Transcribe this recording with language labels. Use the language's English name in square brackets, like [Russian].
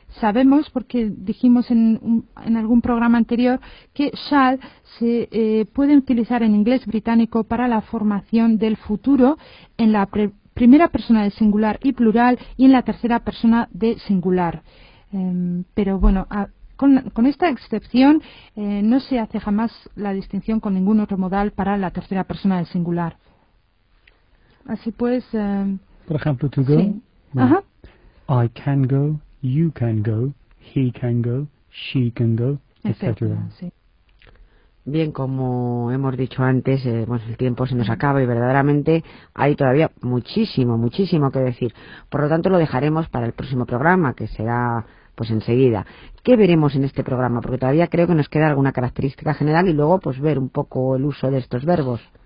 [Spanish] Sabemos, porque dijimos en algún programa anterior, que shall se puede utilizar en inglés británico para la formación del futuro en la primera persona del singular y plural y en la tercera persona de singular. Pero bueno, con esta excepción no se hace jamás la distinción con ningún otro modal para la tercera persona del singular. Así pues. Por ejemplo, to go. Sí. Ajá. [English] I can go, you can go, he can go, she can go, etcétera. [Spanish] Bien, como hemos dicho antes, bueno, el tiempo se nos acaba y verdaderamente hay todavía muchísimo, muchísimo que decir. Por lo tanto, lo dejaremos para el próximo programa, que será pues enseguida. ¿Qué veremos en este programa? Porque todavía creo que nos queda alguna característica general y luego pues ver un poco el uso de estos verbos.